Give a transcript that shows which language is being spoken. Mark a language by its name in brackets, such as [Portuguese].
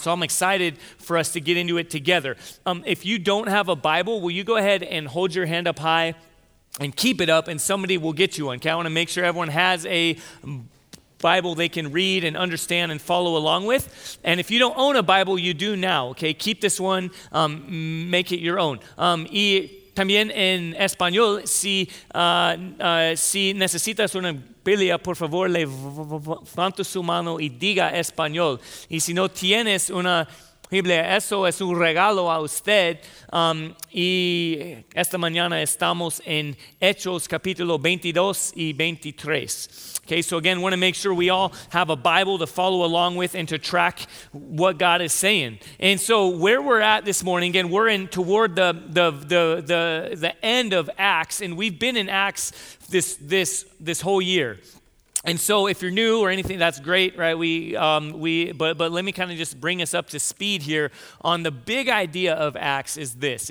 [English] So I'm excited for us to get into it together. If you don't have a Bible, will you go ahead and hold your hand up high and keep it up, and somebody will get you one. Okay, I want to make sure everyone has a Bible they can read and understand and follow along with. And if you don't own a Bible, you do now. Okay, keep this one. Make it your own. [Spanish] También en español, si necesitas una Biblia, por favor, levanta su mano y diga español. Y si no tienes una Biblia, eso es un regalo a usted. Y esta mañana estamos en Hechos capítulo 22 y 23. [English] Okay, so again, want to make sure we all have a Bible to follow along with and to track what God is saying. And so where we're at this morning, again, we're in toward the end of Acts, and we've been in Acts this whole year. And so if you're new or anything, that's great, right? But let me kind of just bring us up to speed here on the big idea of Acts is this.